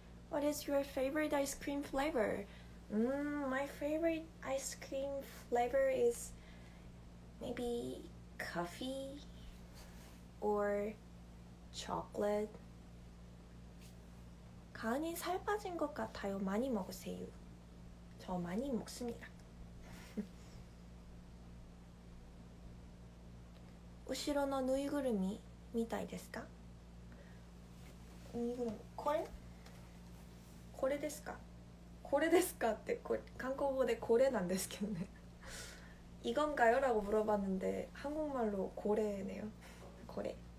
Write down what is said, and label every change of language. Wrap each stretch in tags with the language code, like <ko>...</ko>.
<en>What is your favorite ice cream flavor? My favorite ice cream flavor is maybe coffee or chocolate.</en> <ko>간이살빠진것같아요많이먹으세요저많이먹습니다</ko> <ja>後ろのぬいぐるみみたいですか? ぬいぐるみ、これ? これですか?これですかって、これ、韓国語でこれなんですけどね。</ja> <ko>이건가요? 라고 물어봤는데 한국말로 고래네요. 고래.</ko>